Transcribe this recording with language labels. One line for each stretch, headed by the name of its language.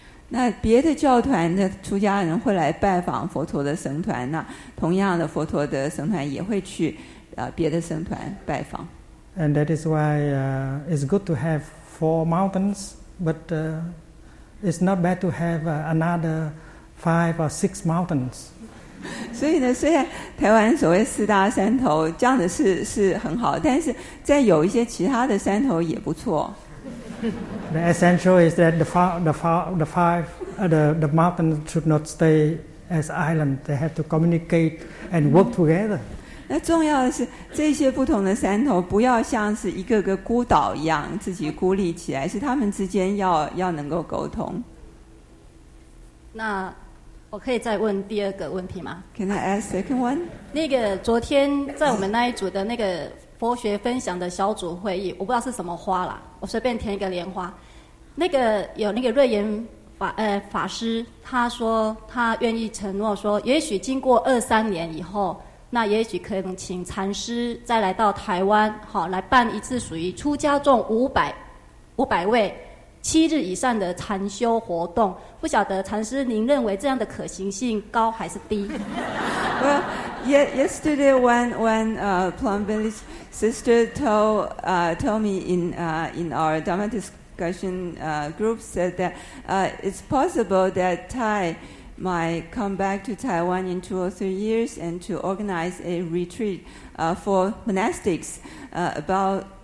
Chinese: 那别的教团的出家人会来拜访佛陀的僧团，那同样的，佛陀的僧团也会去别的僧团拜访。
English: And that is why it's good to have four mountains, but it's not bad to have another five or six mountains.
Chinese: 所以呢，虽然台湾所谓四大山头这样的是很好，但是在有一些其他的山头也不错。
English: The essential is that the mountains should not stay as islands. They have to communicate and work together.
Chinese: 那重要的是，这些不同的山头不要像是一个个孤岛一样自己孤立起来，是他们之间要能够沟通。那我可以再问第二个问题吗
English: ？Can I ask second one？
Chinese: 那个昨天在我们那一组的那个佛学分享的小组会议，我不知道是什么花啦，我随便填一个莲花。那个有那个瑞严法师，他说他愿意承诺说，也许经过二三年以后，那也许可能请禅师再来到台湾，好来办一次属于出家众五百位。七日以上的禅修活动，不晓得禅师您认为这样的可行性高还是低
English: ？Well, yesterday when Plum Village sister told me in our Dharma discussion group said that it's possible that Thai might come back to Taiwan in two or three years and to organize a retreat for monastics about.